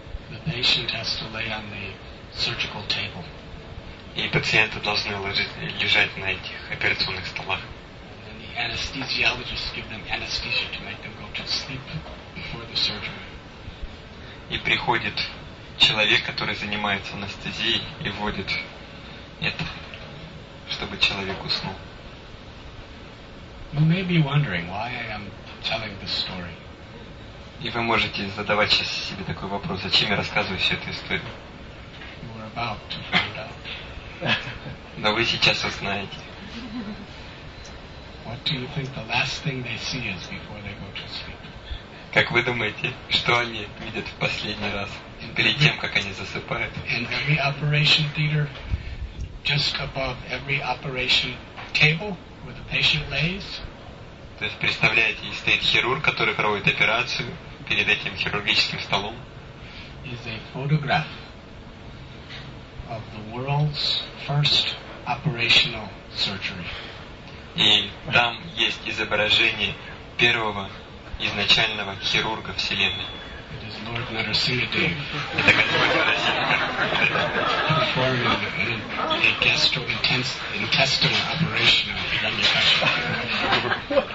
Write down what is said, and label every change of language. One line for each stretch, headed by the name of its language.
English: And the patient has to lay on the surgical table.
Russian: И пациенты должны лежать на этих операционных столах.
English: And the anesthesiologist give them anesthesia to make them go to sleep before the surgery.
Russian: И приходит человек, который занимается анестезией, и вводит это, чтобы человек уснул.
English: You may be wondering why I am telling this story.
Russian: И вы можете задавать сейчас себе такой вопрос: зачем я рассказываю всю эту историю?
English: You are about to find out.
Russian: Но вы сейчас узнаете.
English: What do you think the last thing they see is before they go to sleep?
Russian: Как вы думаете, что они видят в последний раз перед тем, как они засыпают?
English: In every operation theater, just above every operation table where the patient lays.
Russian: То есть представляете, стоит хирург, который проводит операцию перед этим хирургическим столом.
English: Is a photograph of the world's first operational surgery.
Russian: И там есть изображение первого изначального хирурга Вселенной.
English: It is Lord Narasimhadev.
Russian: Это Господь Нарасимхадев.
English: Performing a gastrointestinal operation on Hiranyakashipu.